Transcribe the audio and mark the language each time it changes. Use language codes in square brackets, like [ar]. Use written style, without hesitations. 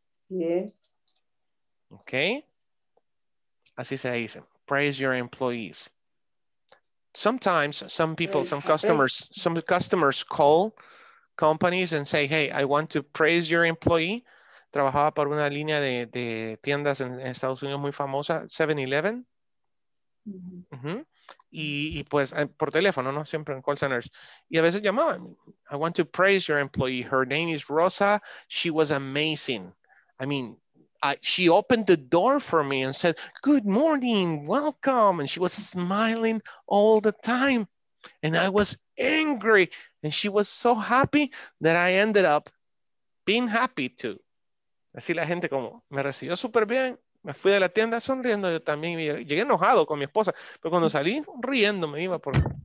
[en] Yes. Okay. [es] Así se dice. [en] Praise your employees. Sometimes some people, some customers call companies and say, hey, I want to praise your employee. [es] Trabajaba por una línea de tiendas en Estados Unidos muy famosa, 7-Eleven. Mm-hmm. Uh-huh. Y pues por teléfono, no siempre en call centers. Y a veces llamaban, [en] I want to praise your employee. Her name is Rosa. She was amazing. I mean, she opened the door for me and said, good morning, welcome. And she was smiling all the time. And I was angry. And she was so happy that I ended up being happy too. [es] Así la gente como, me recibió súper bien, me fui de la tienda sonriendo yo también, llegué enojado con mi esposa, pero cuando salí riendo me iba por...